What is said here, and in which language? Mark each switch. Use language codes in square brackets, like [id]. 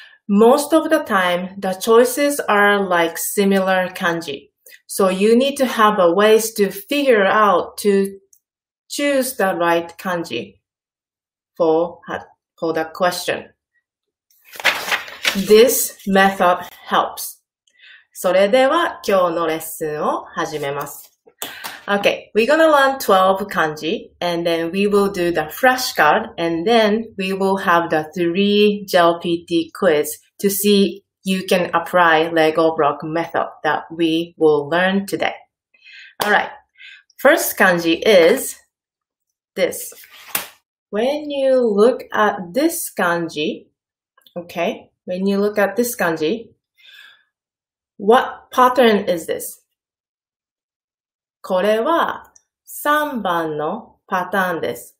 [en] Most of the time, the choices are like similar kanji. So you need to have a ways to figure out to choose the right kanji for the question. This method helps. [ja] それでは今日のレッスンを始めます。 [en] Okay, we're gonna learn 12 kanji and then we will do the flashcard and then we will have the three JLPT quiz to see you can apply Lego block method that we will learn today. All right. First kanji is this. When you look at this kanji, okay, when you look at this kanji, what pattern is this? [ja] これは3番のパターンです。